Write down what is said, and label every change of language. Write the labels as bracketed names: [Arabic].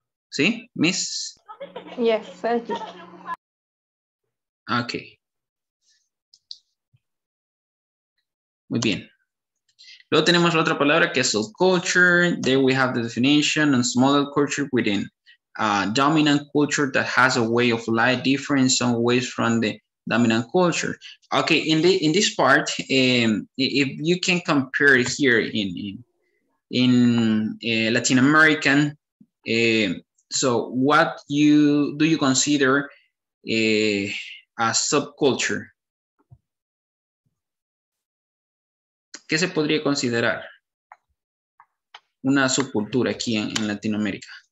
[Spanish] ¿Sí, miss? [English] Yes, thank you. Okay. [Spanish] Muy bien. Luego tenemos la otra palabra que es subculture. [English] There we have the definition and smaller culture within. Dominant culture that has a way of life different in some ways from the dominant culture. Okay, in this part, if you can compare here in Latin American, so what you do you consider a subculture? [Spanish] ¿Qué se podría considerar una subcultura aquí en Latinoamérica?